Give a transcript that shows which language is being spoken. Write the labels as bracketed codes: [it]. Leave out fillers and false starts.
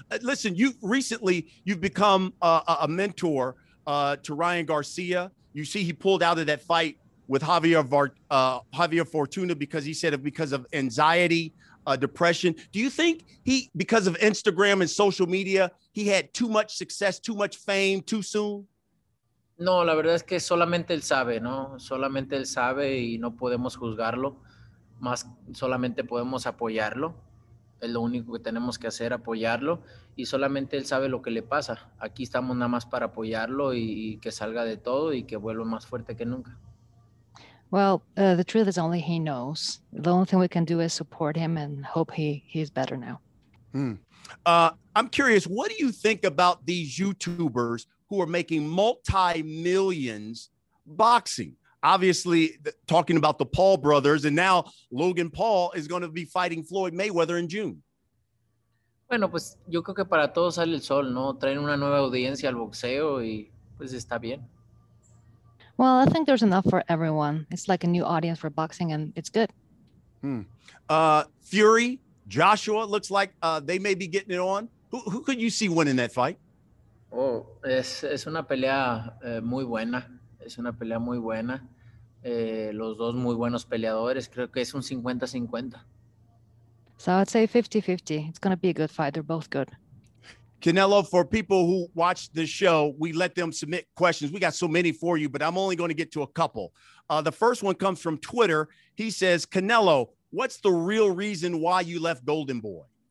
[en] Listen, you've recently become a mentor to Ryan Garcia. You see, he pulled out of that fight with Javier Fortuna because of anxiety, depression. Do you think he, because of Instagram and social media, he had too much success, too much fame, too soon? [es] No, la verdad es que solamente él sabe, ¿no? Solamente él sabe y no podemos juzgarlo, más solamente podemos apoyarlo. es lo único que tenemos que hacer, apoyarlo, y solamente él sabe lo que le pasa. Aquí estamos nada más para apoyarlo y que salga de todo y que vuelva más fuerte que nunca. [en] Well, the truth is only he knows. The only thing we can do is support him and hope he's better now. I'm curious, what do you think about these YouTubers who are making multi-millions boxing? Obviously, talking about the Paul brothers, and now Logan Paul is going to be fighting Floyd Mayweather in June. [es] Bueno, pues yo creo que para todos sale el sol, ¿no? Traen una nueva audiencia al boxeo y pues está bien. [en] Well, I think there's enough for everyone. It's like a new audience for boxing, and it's good. Fury, Joshua, looks like they may be getting it on. Who could you see winning that fight? [es] Oh, es una pelea muy buena. Es una pelea muy buena. Los dos muy buenos peleadores. Creo que es un 50-50. [en] So I'd say 50-50. It's going to be a good fight. They're both good. Canelo, for people who watch the show, we let them submit questions. We got so many for you, but I'm only going to get to a couple. The first one comes from Twitter. He says, Canelo, what's the real reason why you left Golden Boy?